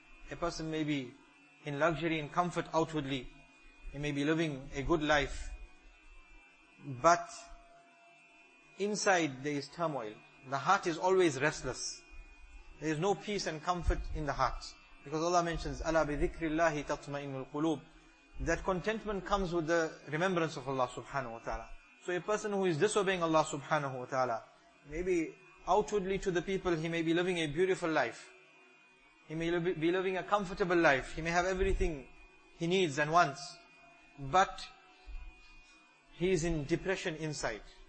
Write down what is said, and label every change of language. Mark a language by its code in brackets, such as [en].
[en] A person may be in luxury and comfort outwardly. He may be living a good life. But inside there is turmoil. The heart is always restless. There is no peace and comfort in the heart. [ar] Because Allah mentions, أَلَا بِذِكْرِ اللَّهِ تَطْمَئِنُّ الْقُلُوبِ. [en] That contentment comes with the remembrance of Allah subhanahu wa ta'ala. So a person who is disobeying Allah subhanahu wa ta'ala, maybe outwardly to the people, he may be living a beautiful life. He may be living a comfortable life. He may have everything he needs and wants. But he is in depression inside.